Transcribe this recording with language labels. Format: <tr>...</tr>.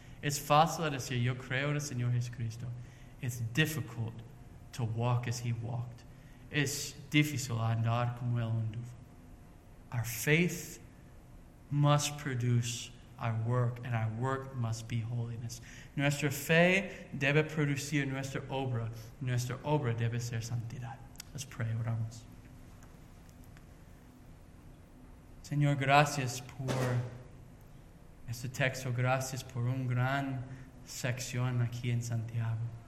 <es>It's fácil decir, yo creo en el Señor Jesucristo.</es> <en>It's difficult to walk as He walked.</en> <es>Es difícil andar como Él anduvo.</es> <en>Our faith must produce our work, and our work must be holiness.</en> <es>Nuestra fe debe producir nuestra obra. Nuestra obra debe ser santidad.</es> <en>Let's pray.</en> <es>Oramos. Señor, gracias por este texto. Gracias por un gran sección aquí en Santiago.</es>